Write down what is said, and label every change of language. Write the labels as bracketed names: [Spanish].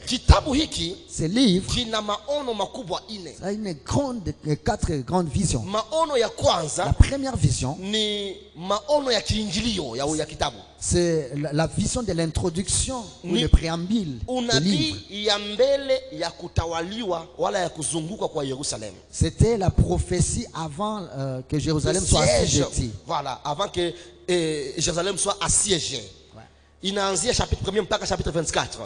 [Swahili] Kitabu hiki, [French] ce livre, [Swahili] kina maono makubwa ine. [French] Ça a une grande, quatre grandes visions. [Swahili] Maono ya kwanza, [French] la première vision, [Swahili] ni maono ya kiingilio ya ya kitabu. [French] C'est la vision de l'introduction ou le préambule du livre. [Swahili] Ya mbele ya kutawaliwa wala ya kuzunguka kwa Yerusalemu. [French] C'était la prophétie avant que Jérusalem soit assiégée. Voilà, avant que Jérusalem soit assiégée. Il n'a chapitre 1 jusqu'au chapitre 24.